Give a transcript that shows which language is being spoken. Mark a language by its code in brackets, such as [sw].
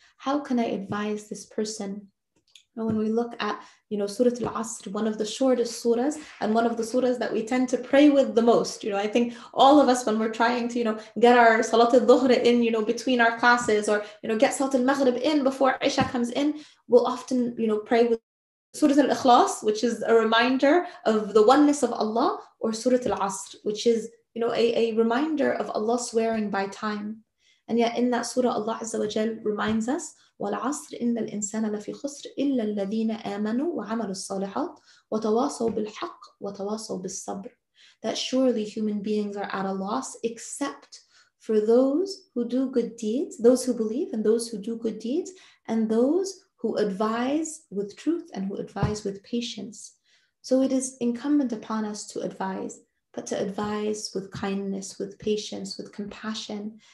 [en] How can I advise this person? Now, when we look at, you know, Surah Al-Asr, one of the shortest surahs and one of the surahs that we tend to pray with the most, you know, I think all of us, when we're trying to, you know, get our Salat Al-Dhuhr in, you know, between our classes, or, you know, get Salat Al-Maghrib in before Isha comes in, we'll often, you know, pray with Surah Al-Ikhlas, which is a reminder of the oneness of Allah, or Surah Al-Asr, which is, you know, a reminder of Allah swearing by time. And yet in that surah, Allah Azza wa Jal reminds us, [ar] والعصر إن الإنسان لفي خسر إلا الذين آمنوا وعملوا الصالحات وتواصوا بالحق وتواصوا بالصبر. [en] That surely human beings are at a loss except for those who do good deeds, those who believe and those who do good deeds, and those who advise with truth and who advise with patience. So it is incumbent upon us to advise, but to advise with kindness, with patience, with compassion.